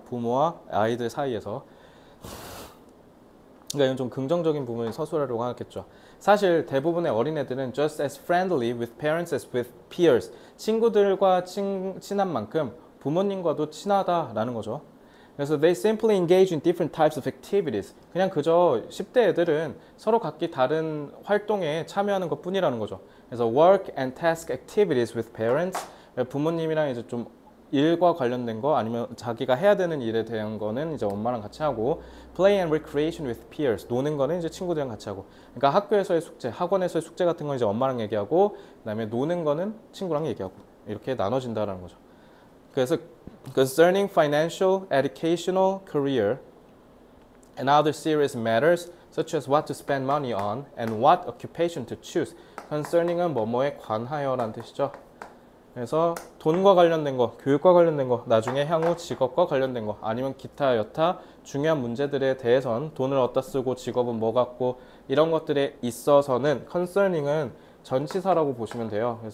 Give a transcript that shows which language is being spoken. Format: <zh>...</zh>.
<ko>부모와 아이들 사이에서. 그러니까 이건 좀 긍정적인 부분을 서술하려고 하겠죠. 사실 대부분의 어린애들은</ko> <en>just as friendly with parents as with peers.</en> <ko>친구들과 친한 만큼 부모님과도 친하다라는 거죠. 그래서</ko> <en>they simply engage in different types of activities.</en> <ko>그냥 그저 10대 애들은 서로 각기 다른 활동에 참여하는 것뿐이라는 거죠. 그래서</ko> <en>work and task activities with parents.</en> <ko>부모님이랑 이제 좀 일과 관련된 거 아니면 자기가 해야 되는 일에 대한 거는 이제 엄마랑 같이 하고</ko> <en>play and recreation with peers.</en> <ko>노는 거는 이제 친구들이랑 같이 하고. 그러니까 학교에서의 숙제, 학원에서의 숙제 같은 건 이제 엄마랑 얘기하고 그다음에 노는 거는 친구랑 얘기하고 이렇게 나눠진다라는 거죠. 그래서</ko> <en>concerning financial, educational, career, and other serious matters, such as what to spend money on and what occupation to choose.</en> <ko>Concerning은 뭐뭐에 관하여라는 뜻이죠. 그래서 돈과 관련된 거, 교육과 관련된 거, 나중에 향후 직업과 관련된 거, 아니면 기타 여타 중요한 문제들에 대해선 돈을 어디다 쓰고 직업은 뭐 갖고 이런 것들에 있어서는 concerning은 전치사라고 보시면 돼요.</ko>